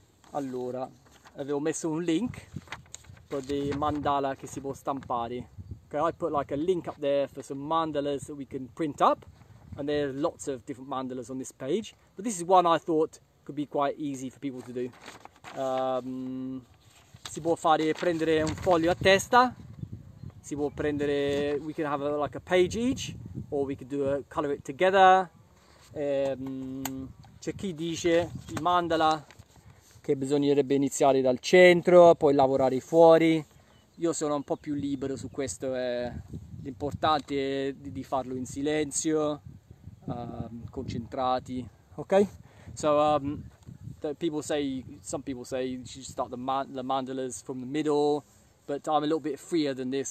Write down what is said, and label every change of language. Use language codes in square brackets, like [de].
[it] Allora, avevo messo un link per dei mandala che si può stampare. [en] Okay, I put like a link up there for some mandalas that we can print up. And there are lots of different mandalas on this page. But this is one I thought could be quite easy for people to do. [it] Si può fare prendere un foglio a testa. Si può prendere, [en] we can have a page each, or we could do a color it together. [it] C'è chi dice il mandala che bisognerebbe iniziare dal centro, poi lavorare fuori. Io sono un po' più libero su questo, l'importante è di farlo in silenzio, concentrati, ok? [en] So, some people say you should start the mandalas from the middle, but I'm a little bit freer than this.